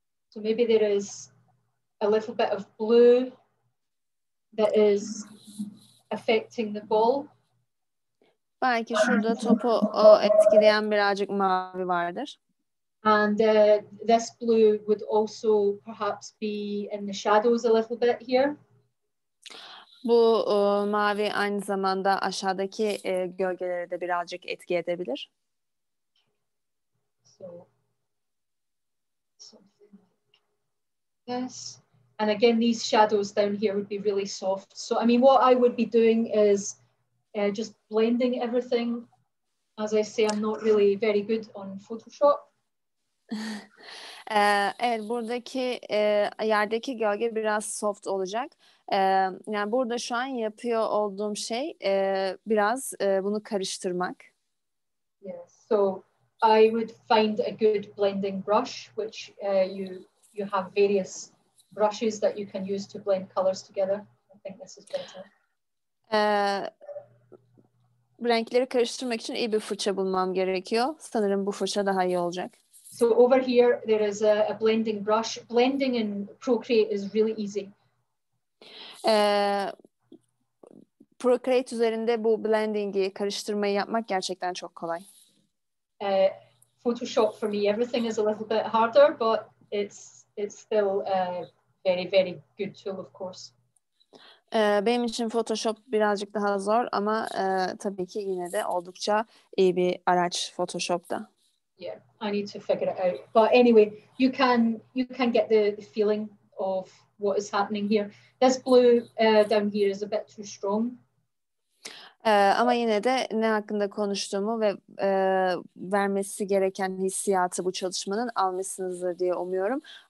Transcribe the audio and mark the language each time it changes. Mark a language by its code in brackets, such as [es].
[en] So maybe there is a little bit of blue that is affecting the ball. [tr] Belki şurada topu o etkileyen birazcık mavi vardır. [en] And this blue would also perhaps be in the shadows a little bit here. [tr] Bu mavi aynı zamanda aşağıdaki gölgelere de birazcık etki edebilir. [en] So something like this. And again, these shadows down here would be really soft. So I mean, what I would be doing is just blending everything. As I say, I'm not really very good on Photoshop. [tr] Evet, buradaki yerdeki gölge biraz soft olacak. Yani burada şu an yapıyor olduğum şey biraz bunu karıştırmak. [en] Yes. So I would find a good blending brush, which you have various brushes that you can use to blend colors together. I think this is better. [tr] Renkleri karıştırmak için iyi bir fırça bulmam gerekiyor. Sanırım bu fırça daha iyi olacak. [en] So over here there is a blending brush. Blending in Procreate is really easy. [tr] Procreate üzerinde bu blending'i, karıştırmayı yapmak gerçekten çok kolay. [en] Photoshop for me everything is a little bit harder, but it's still very very good tool, of course. [tr] Benim için Photoshop birazcık daha zor ama tabii ki yine de oldukça iyi bir araç Photoshop'ta. [en] Yeah, I need to figure it out. But anyway, you can get the feeling of what is happening here. This blue down here is a bit too strong. [tr] Ama yine de ne hakkında konuştuğumu ve vermesi gereken hissiyatı bu çalışmanın almışsınızdır diye umuyorum.